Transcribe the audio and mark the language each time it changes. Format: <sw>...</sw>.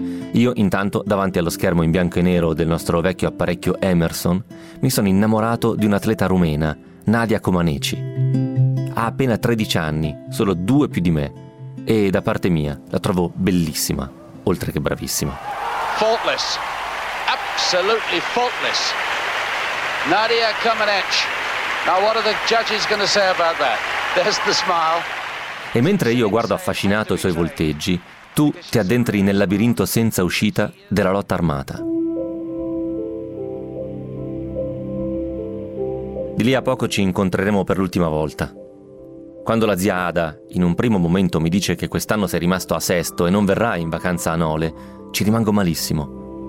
<it>Io intanto, davanti allo schermo in bianco e nero del nostro vecchio apparecchio Emerson, mi sono innamorato di un'atleta rumena, Nadia Comaneci. Ha appena 13 anni, solo due più di me, e da parte mia la trovo bellissima, oltre che bravissima.</it> <en>Faultless, absolutely faultless. Nadia Comăneci. Now what are the judges going to say about that? There's the smile.</en> <it>E mentre io guardo affascinato i suoi volteggi, tu ti addentri nel labirinto senza uscita della lotta armata. Di lì a poco ci incontreremo per l'ultima volta. Quando la zia Ada, in un primo momento, mi dice che quest'anno sei rimasto a Sesto e non verrai in vacanza a Nole, ci rimango malissimo.</it>